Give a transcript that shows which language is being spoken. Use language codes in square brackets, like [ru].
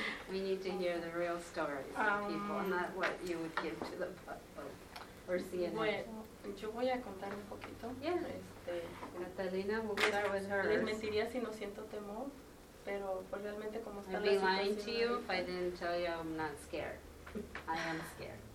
[en] We need to hear the real stories of people, not what you would give to the public or CNN. [es] Bueno, yo voy a contar un poquito. [en] Yeah. Catalina, we'll start with hers. [es] Les mentiría si no siento temor, pero pues realmente como está la situación. [en] I'd be lying to you if I didn't tell you I'm not scared. I am scared.